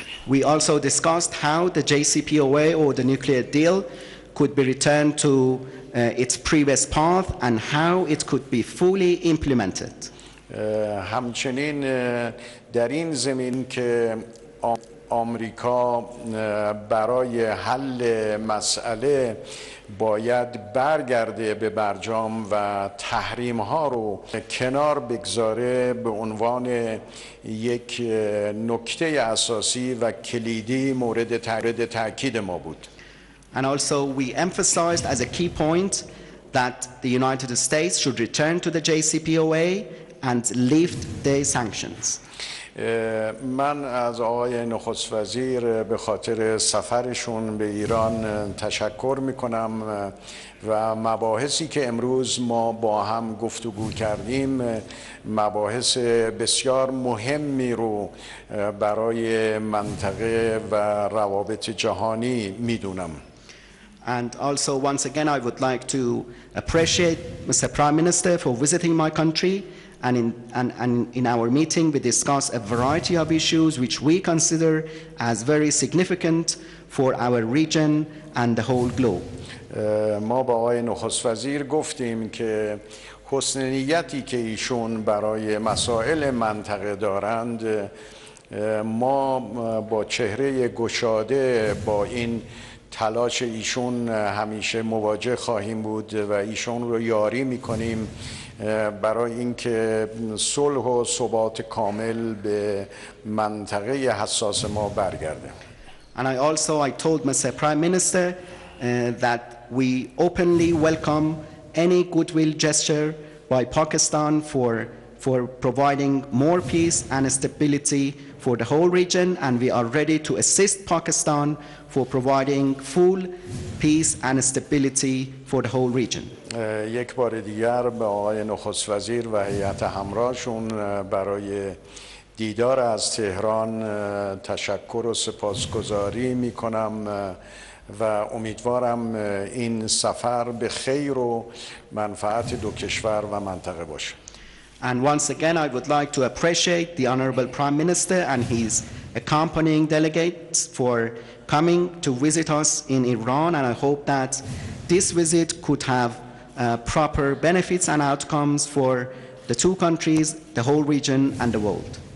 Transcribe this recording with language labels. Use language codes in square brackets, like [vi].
[en] We also discussed how the JCPOA or the nuclear deal could be returned to its previous path and how it could be fully implemented. [fa] همچنین در این زمین که آمریکا برای حل مسئله باید برگرده به برجام و تحریم ها رو کنار بگذاره به عنوان یک نکته اساسی و کلیدی مورد تاکید ما بود. [en] And also we emphasized as a key point that the United States should return to the JCPOA and lift the sanctions. [fa] من از آقای نخست وزیر به خاطر سفرشون به ایران تشکر میکنم و مباحثی که امروز ما با هم گفتگو کردیم مباحث بسیار مهمی رو برای منطقه و روابط جهانی میدونم. [en] And also once again I would like to appreciate Mr. Prime Minister for visiting my country. And in our meeting, we discuss a variety of issues which we consider as very significant for our region and the whole globe. [fa] ما با آقای نخست وزیر گفتیم که حسن نیتی که ایشون برای مسائل منطقه دارند، ما با چهره گشاده با این تلاش ایشون همیشه مواجه خواهیم بود و ایشون رو یاری می‌کنیم. برای اینکه صلح و ثبات کامل به منطقه حساس ما برگرده. [en] And I told Mr. Prime Minister that we openly welcome any goodwill gesture by Pakistan for providing more peace and stability for the whole region, and we are ready to assist Pakistan for providing full peace and stability for the whole region. [fa] یک بار دیگر به آقای نخست وزیر و هیئت همراهشون برای دیدار از تهران تشکر و سپاسگزاری میکنم و امیدوارم این سفر به خیر و منفعت دو کشور و منطقه باشه. [en] And once again I would like to appreciate the honorable prime minister and his accompanying delegates for coming to visit us in Iran, and I hope that this visit could have proper benefits and outcomes for the two countries, the whole region and the world.